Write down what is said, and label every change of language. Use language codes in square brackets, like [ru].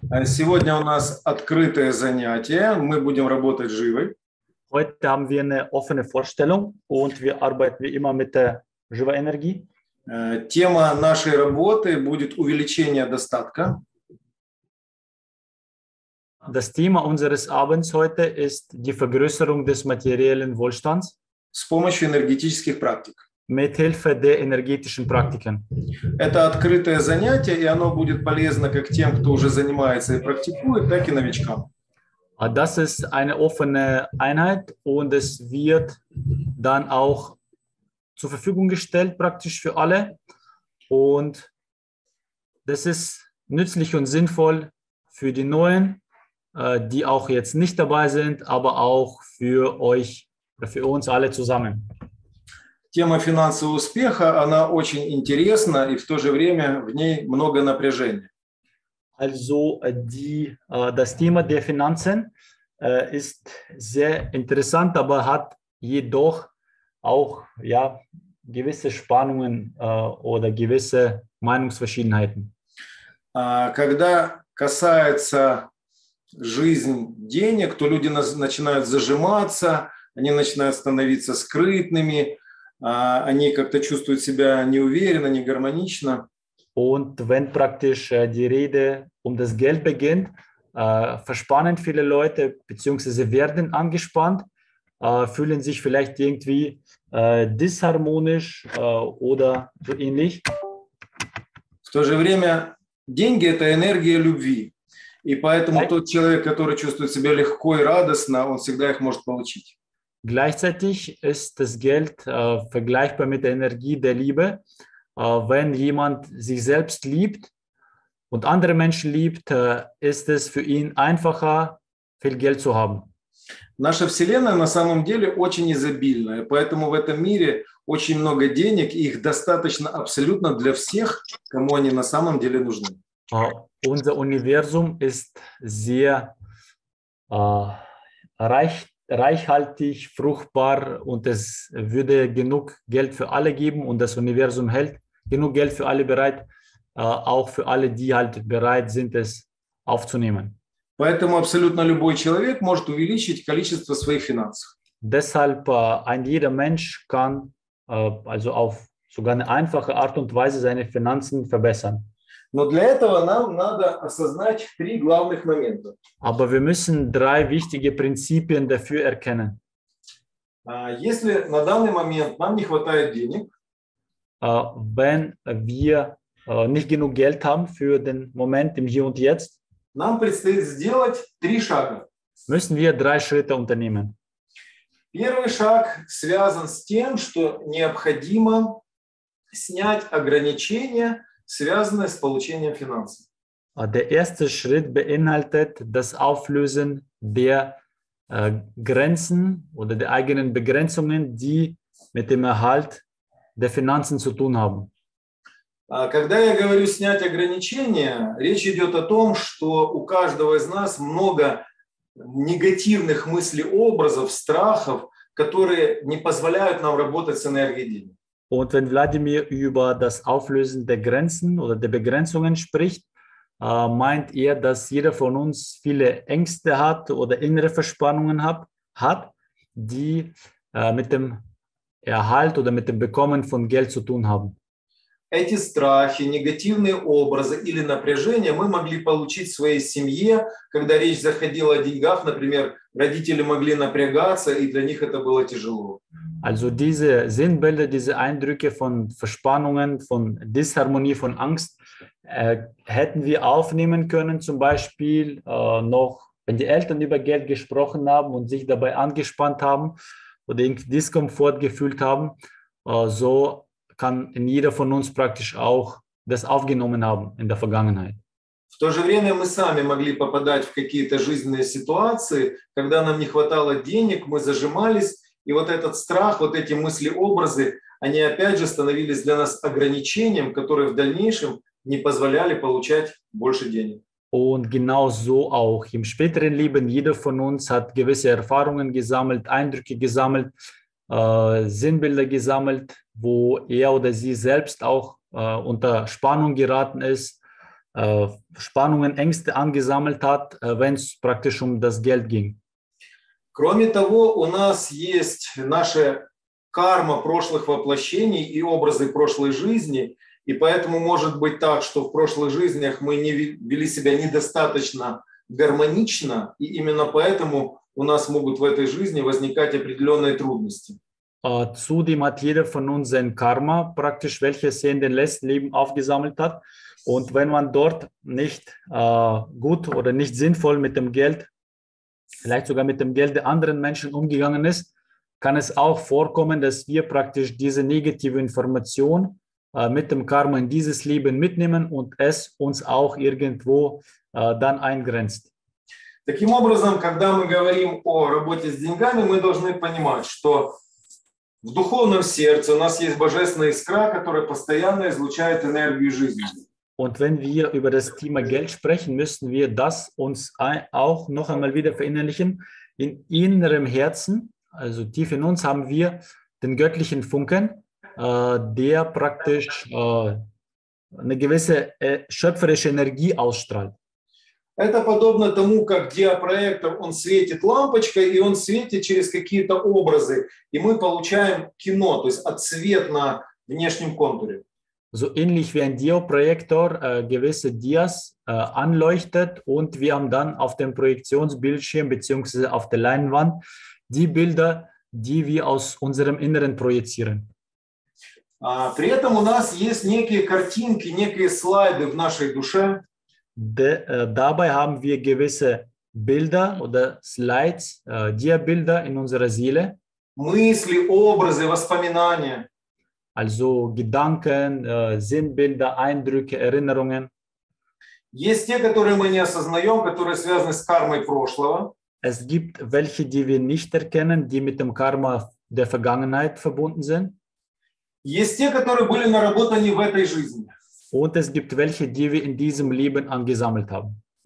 [ru] Сегодня у нас открытое занятие. Мы будем работать живой. [de] Heute haben wir eine offene Vorstellung und wir arbeiten wie immer mit der [ru] живой энергии. Тема нашей работы будет увеличение достатка. [de] Das Thema unseres Abends heute ist die Vergrößerung des materiellen Wohlstands. [ru] С помощью энергетических практик. [de] Mit Hilfe der energetischen Praktiken. [ru] Это открытое занятие, и оно будет полезно как тем, кто уже занимается и практикует, так и новичкам. [de] Das ist eine offene Einheit und es wird dann auch zur Verfügung gestellt, praktisch für alle. Und das ist nützlich und sinnvoll für die Neuen, die auch jetzt nicht dabei sind, aber auch für euch, für uns alle zusammen. [ru] Тема финансового успеха, она очень интересна, и в то же время в ней много напряжения. [de] Also, das Thema der Finanzen ist sehr interessant, aber hat jedoch auch ja, gewisse Spannungen oder gewisse Meinungsverschiedenheiten. [ru] Когда касается жизни денег, то люди начинают зажиматься, они начинают становиться скрытными, они как-то чувствуют себя неуверенно, негармонично. [de] Und wenn praktisch die Rede um das Geld beginnt, verspannen viele Leute beziehungsweise werden angespannt, fühlen sich vielleicht irgendwie disharmonisch oder so ähnlich. [ru] В то же время деньги – это энергия любви. И поэтому тот человек, который чувствует себя легко и радостно, он всегда их может получить. [de] Gleichzeitig ist das Geld vergleichbar mit der Energie der Liebe. Wenn jemand sich selbst liebt und andere Menschen liebt, ist es für ihn einfacher, viel Geld zu haben. [ru] Наша Вселенная на самом деле очень изобильная, поэтому в этом мире очень много денег, и их достаточно абсолютно для всех, кому они на самом деле нужны. [de] Unser Universum ist sehr reich. Reichhaltig, fruchtbar und es würde genug Geld für alle geben und das Universum hält genug Geld für alle bereit, auch für alle, die halt bereit sind, es aufzunehmen. [ru] Поэтому абсолютно любой человек может увеличить количество своих финансов. [de] Deshalb ein jeder Mensch kann also auf sogar eine einfache Art und Weise seine Finanzen verbessern. [ru] Но для этого нам надо осознать три главных момента. [de] Aber wir müssen drei wichtige Prinzipien dafür erkennen. [ru] Если на данный момент нам не хватает денег, [de] wenn wir nicht genug Geld haben für den Moment im Hier und Jetzt, [ru] нам предстоит сделать три шага. [de] Müssen wir drei Schritte unternehmen. [ru] Первый шаг связан с тем, что необходимо снять ограничения, связанное с получением финансов. [de] Der erste Schritt beinhaltet das Auflösen der Grenzen oder der eigenen Begrenzungen, die mit dem Erhalt der Finanzen zu tun haben. [ru] Когда я говорю снять ограничения, речь идет о том, что у каждого из нас много негативных мыслеобразов, страхов, которые не позволяют нам работать с энергией денег. [de] Und wenn Wladimir über das Auflösen der Grenzen oder der Begrenzungen spricht, meint er, dass jeder von uns viele Ängste hat oder innere Verspannungen hat, die mit dem Erhalt oder mit dem Bekommen von Geld zu tun haben. [ru] Эти страхи, негативные образы или напряжения мы могли получить в своей семье, когда речь заходила о деньгах, например, родители могли напрягаться, и для них это было тяжело. [de] Also diese Sinnbilder, diese Eindrücke von Verspannungen, von Disharmonie, von Angst hätten wir aufnehmen können, zum Beispiel noch, wenn die Eltern über Geld gesprochen haben und sich dabei angespannt haben oder irgendwie Diskomfort gefühlt haben, so kann in jeder von uns praktisch auch das aufgenommen haben in der Vergangenheit. [ru] В то же время мы сами могли попадать в какие-то жизненные ситуации, когда нам не хватало денег, мы зажимались, и вот этот страх, вот эти мысли-образы, они опять же становились для нас ограничением, которое в дальнейшем не позволяли получать больше денег. [de] Und genau so auch im späteren Leben, jeder von uns hat gewisse Erfahrungen gesammelt, Eindrücke gesammelt, Sinnbilder gesammelt, wo er oder sie selbst auch unter Spannung geraten ist, Spannungen, Ängste angesammelt hat, wenn es praktisch um das Geld ging. [ru] Кроме того, у нас есть наша карма прошлых воплощений и образы прошлой жизни, и поэтому может быть так, что в прошлых жизнях мы не вели себя недостаточно гармонично, и именно поэтому у нас могут в этой жизни возникать определенные трудности. [de] Zudem hat jeder von uns sein Karma praktisch, welches er in den letzten Leben aufgesammelt hat. Und wenn man dort nicht gut oder nicht sinnvoll mit dem Geld, vielleicht sogar mit dem Geld der anderen Menschen umgegangen ist, kann es auch vorkommen, dass wir praktisch diese negative Information mit dem Karma in dieses Leben mitnehmen und es uns auch irgendwo dann eingrenzt. [ru] Таким образом, когда мы говорим о работе с деньгами, мы должны понимать, что в духовном сердце у нас есть божественная искра, которая постоянно излучает энергию жизни. [de] Und wenn wir über das Thema Geld sprechen, müssen wir das uns auch noch einmal wieder verinnerlichen. In innerem Herzen, also tief in uns, haben wir den göttlichen Funken, der praktisch eine gewisse schöpferische Energie ausstrahlt. [ru] Это подобно тому, как диапроектор, он светит лампочкой, и он светит через какие-то образы, и мы получаем кино, то есть отсвет на внешнем контуре. [de] So ähnlich wie ein Dioprojektor gewisse Dias anleuchtet und wir haben dann auf dem Projektionsbildschirm bzw. auf der Leinwand die Bilder, die wir aus unserem Inneren projizieren. [ru] При этом у нас есть некие картинки, некие слайды в нашей душе. [de] Dabei haben wir gewisse Bilder oder Slides, Diabilder in unserer Seele. [ru] Мысли, образы, воспоминания. [de] Also Gedanken, Sinnbilder, Eindrücke, Erinnerungen. [ru] Есть те, которые мы не осознаем, которые связаны с кармой прошлого. [de] Es gibt welche, die wir nicht erkennen, die mit dem Karma der Vergangenheit verbunden sind. [ru] Есть те, которые были наработаны в этой жизни. [de] Und es gibt welche, die wir in diesem Leben angesammelt haben.